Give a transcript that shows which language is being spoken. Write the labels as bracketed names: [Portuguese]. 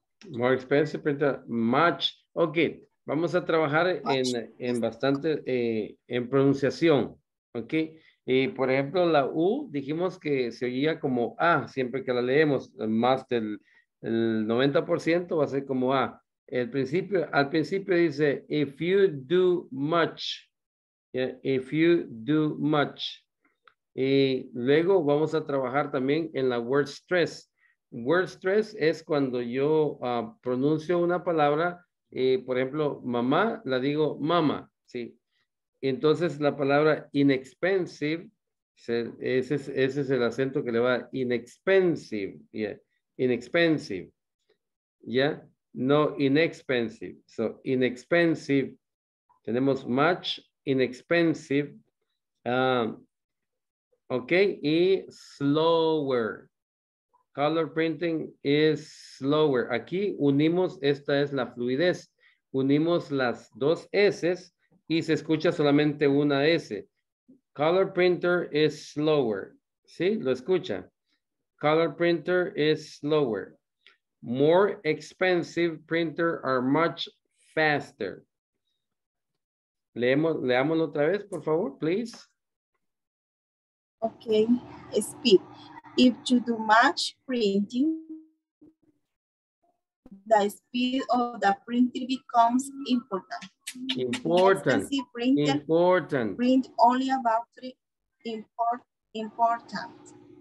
[English] More expensive printer, much. [Spanish] Okay, vamos a trabajar much. en bastante en pronunciación, okay. Y por ejemplo la U dijimos que se oía como A siempre que la leemos, más del 90% va a ser como A. Al principio dice, [English] if you do much, yeah, if you do much. [Spanish] Y luego vamos a trabajar también en la word stress. Word stress es cuando yo pronuncio una palabra, y por ejemplo, mamá, la digo mama, ¿sí? Entonces la palabra inexpensive, ese es el acento que le va a dar, inexpensive, yeah, inexpensive, ¿ya? Yeah. [English] No, inexpensive. So, inexpensive. [Spanish] Tenemos much, inexpensive. [English] Okay, y slower. Color printing is slower. [Spanish] Aquí unimos, esta es la fluidez. Unimos las dos S's y se escucha solamente una S. [English] Color printer is slower. [Spanish] ¿Sí? Lo escucha. [English] Color printer is slower. More expensive printer are much faster. [Spanish] Leamos otra vez, por favor, [English] please. Okay, speed. If you do much printing, the speed of the printer becomes important. Important. The expensive printer important. Print only about three important.